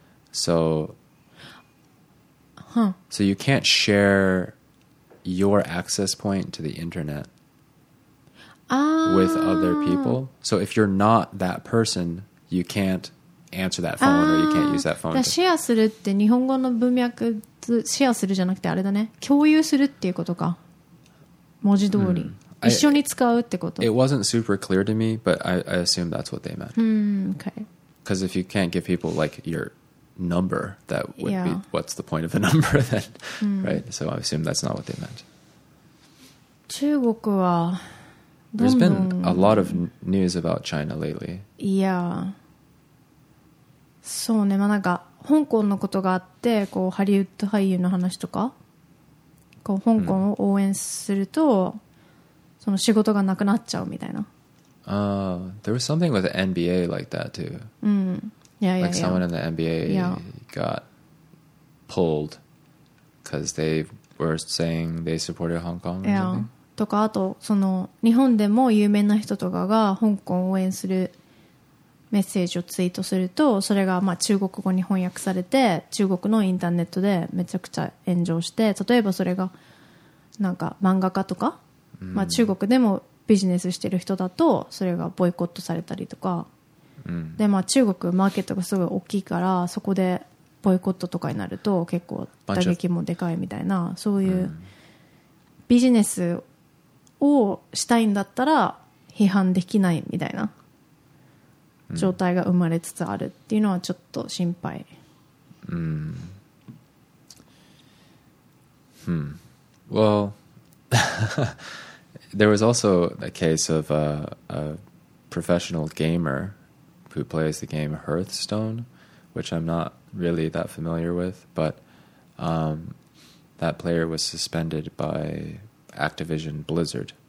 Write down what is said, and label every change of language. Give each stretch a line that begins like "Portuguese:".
English: So, huh? So you can't share your access point to the internet with other people. So if you're not that person, you can't answer that phone or you can't use that phone.
Japanese: シェアするって日本語の文脈でシェアするじゃなくてあれだね、共有するっていうことか。文字通り。一緒に使うってこと。
English: It wasn't super clear to me, but I assume that's what they meant. Okay. Because if you can't give people like your number, that would be what's the point of the number then, right? So I assume that's not what they meant.
Japanese: 中国はどんどん。
English: There's been a lot of news about China lately. Yeah.
Japanese: そうね。まあなんか香港のことがあって、こうハリウッド俳優の話とか、こう香港を応援すると。その仕事がなくなっちゃうみたいな。
English: There was something with the NBA like that too. Yeah. Like someone in the NBA got pulled because they were saying they supported Hong Kong. Yeah.
Japanese: とかあとその日本でも有名な人とかが香港を応援するメッセージをツイートすると、それがまあ中国語に翻訳されて中国のインターネットでめちゃくちゃ炎上して、例えばそれがなんか漫画家とか。まあ、中国でもビジネスしてる人だとそれがボイコットされたりとか、でまあ中国マーケットがすごい大きいからそこでボイコットとかになると結構打撃もでかいみたいな、そういうビジネスをしたいんだったら批判できないみたいな状態が生まれつつあるっていうのはちょっと心配。
English: Well There was also a case of a professional gamer who plays the game Hearthstone, which I'm not really that familiar with, but that player was suspended by Activision Blizzard.